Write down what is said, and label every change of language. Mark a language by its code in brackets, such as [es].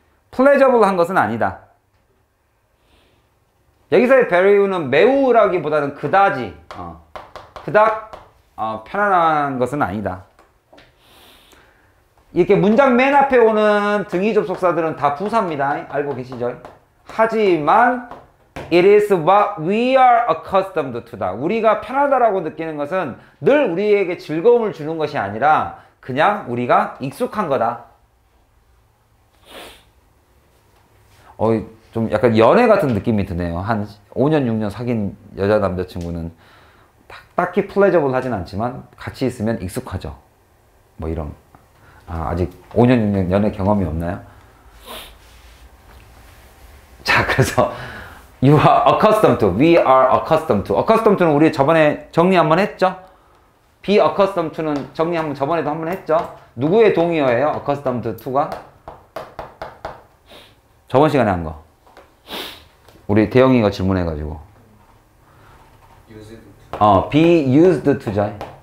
[ko] pleasurable 한 것은 아니다. 여기서의 very는 매우라기보다는 그다지, 그닥 편안한 것은 아니다. 이렇게 문장 맨 앞에 오는 등이 접속사들은 다 부사입니다. 알고 계시죠? 하지만 [en] it is what we are accustomed to다. [ko] 우리가 편하다라고 느끼는 것은 늘 우리에게 즐거움을 주는 것이 아니라 그냥 우리가 익숙한 거다. 좀 약간 연애 같은 느낌이 드네요. 한 5년, 6년 사귄 여자 남자친구는 딱히 플레저블 하진 않지만 같이 있으면 익숙하죠. 뭐 이런. 아직 5년, 6년 연애 경험이 없나요? 자, 그래서 [en] you are accustomed to, we are accustomed to. [ko] accustomed to는 우리 저번에 정리 한번 했죠? be accustomed to는 정리 한번 저번에도 한번 했죠? 누구의 동의어예요? accustomed to가? 저번 시간에 한 거. 우리 대영이가 질문해가지고 be used to죠.